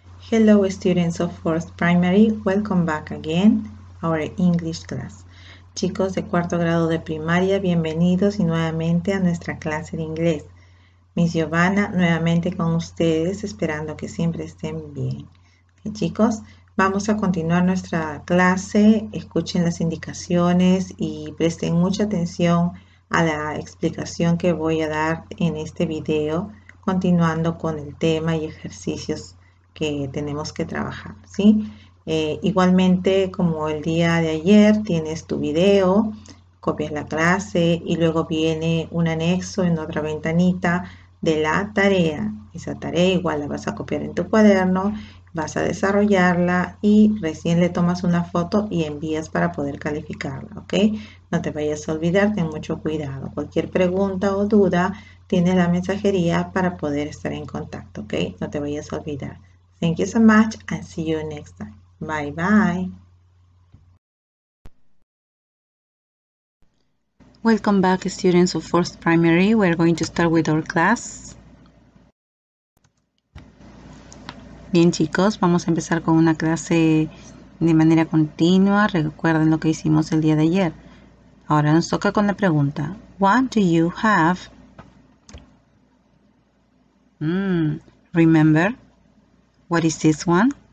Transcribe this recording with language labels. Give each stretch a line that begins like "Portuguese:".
English: Hello, students of fourth primary. Welcome back again our English class.
Spanish: Chicos de cuarto grado de primaria, bienvenidos y nuevamente a nuestra clase de inglés. Miss Giovanna, nuevamente con ustedes, esperando que siempre estén bien. Y chicos, vamos a continuar nuestra clase. Escuchen las indicaciones y presten mucha atención a la explicación que voy a dar en este video, continuando con el tema y ejercicios que tenemos que trabajar, ¿sí? Igualmente, como el día de ayer, tienes tu video, copias la clase y luego viene un anexo en otra ventanita de la tarea. Esa tarea igual la vas a copiar en tu cuaderno, vas a desarrollarla y recién le tomas una foto y envías para poder calificarla, ¿ok? No te vayas a olvidar, ten mucho cuidado. Cualquier pregunta o duda, tienes la mensajería para poder estar en contacto, ¿ok? No te vayas a olvidar.
English: Thank you so much and see you next time. Bye bye. Welcome back, students of fourth primary. We're going to start with our class.
Spanish: Bien, chicos, vamos a empezar con una clase de manera continua. Recuerden lo que hicimos el día de ayer. Ahora nos toca con la pregunta:
English: What do you have? Remember? What is this one?